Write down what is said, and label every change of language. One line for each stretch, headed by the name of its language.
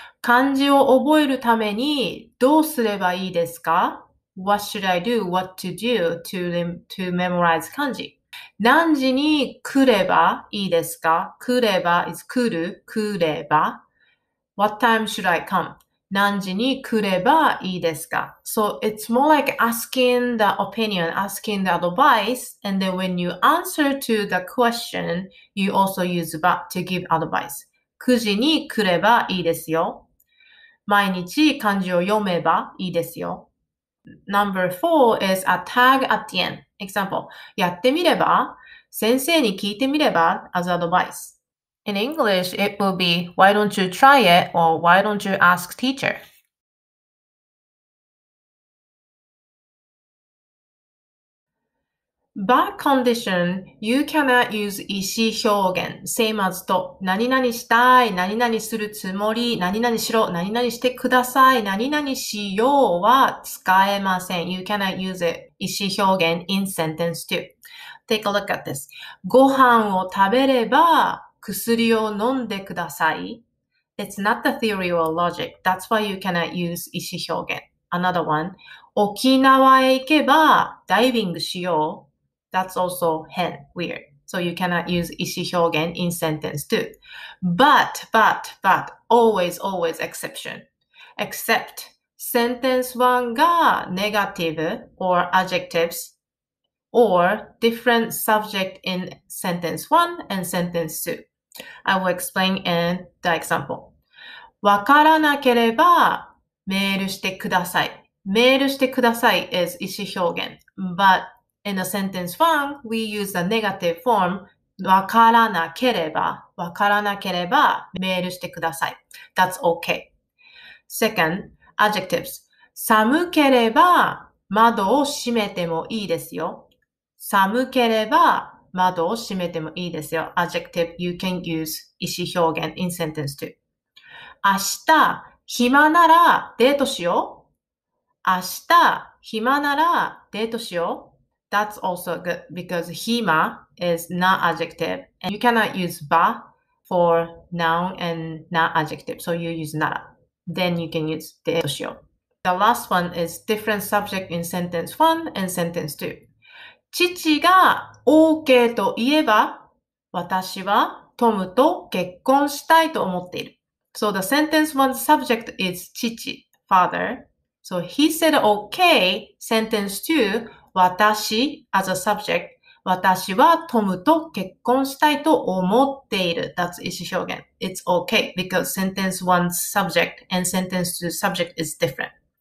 Japanese: 漢字を覚えるためにどうすればいいですか?
English: What should I do? What to do to memorize 漢字?
Japanese: 何時に来ればいいですか?来れば is 来る、来れば。
English: What time should I come?
Japanese: 何時に来ればいいですか?
English: So it's more like asking the opinion, asking the advice, and then when you answer to the question, you also use but to give advice.
Japanese: 9時に来ればいいですよ。毎日漢字を読めばいいですよ。
English: Number 4 is a tag at the end. Example,
Japanese: やってみれば、先生に聞いてみれば
English: as advice. In English, it will be, why don't you try it or why don't you ask teacher? But condition, you cannot use 意思表現 same as と
Japanese: 何々したい、何々するつもり、何々しろ、何々してください、何々しようは使えません。
English: You cannot use it 意思表現 in sentence too. Take a look at this.
Japanese: ご飯を食べれば薬を飲んでください。
English: It's not the theory or logic. That's why you cannot use 意思表現.Another one.
Japanese: 沖縄へ行けばダイビングしよう。
English: That's also hen, weird. So you cannot use 意思表現 in sentence too. But, always exception. Except sentence 1 が negative or adjectives or different subject in sentence 1 and sentence 2. I will explain in the example.
Japanese: わからなければメールしてください。メールしてください
English: is 意思表現 but in a sentence 1, we use the negative form,
Japanese: わからなければ、わからなければ、メールしてください。
English: That's okay. Second, adjectives.
Japanese: 寒ければ窓を閉めてもいいですよ。寒ければ窓を閉めてもいいですよ。
English: Adjective you can use 意思表現 in sentence two.
Japanese: 明日暇ならデートしよう。明日暇ならデートしよう。
English: That's also good because 暇 is not adjective. And you cannot use ba for noun and not adjective. So you use なら. Then you can use
Japanese: デートしよう。
English: The last one is different subject in sentence one and sentence two.
Japanese: 父が OK と言えば、私はトムと結婚したいと思っている。
English: So the sentence one's subject is 父, father. So he said OK, sentence two, 私 as a subject,
Japanese: 私はトムと結婚したいと思っている。
English: That's 意思表現. It's OK because sentence one's subject and sentence two's subject is different.